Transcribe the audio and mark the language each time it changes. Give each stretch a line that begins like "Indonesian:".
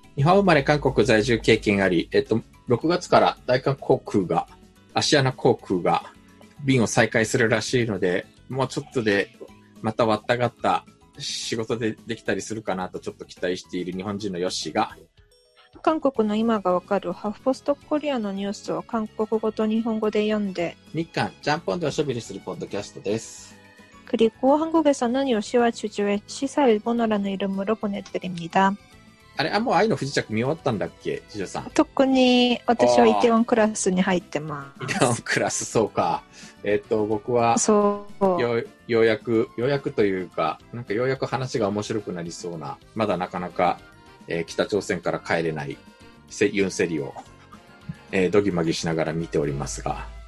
Japanese: 日本生まれ韓国在住経験あり、6月から大韓航空が、アシアナ航空が便を再開するらしいので、もうちょっとでまたわったがった仕事でできたりするかなとちょっと期待している日本人のヨッシーが、韓国の今がわかるハフポストコリアのニュースを韓国語と日本語で読んで、日韓ちゃんぽんでおしゃべりするポッドキャストです。
Korean: 그리고한국에서는요시와주주의시사일본어라는이름으로보내드립니다。
Japanese: あれ、あ、もう愛の不時着見終わったんだっけ、ジュジュさん。特に私はイテウォンクラスに入ってます。イテウォンクラス、そうか。僕はそう、ようやくというか、なんかようやく話が面白くなりそうな、まだなかなか北朝鮮から帰れないユンセリを、ドギマギしながら見ておりますが、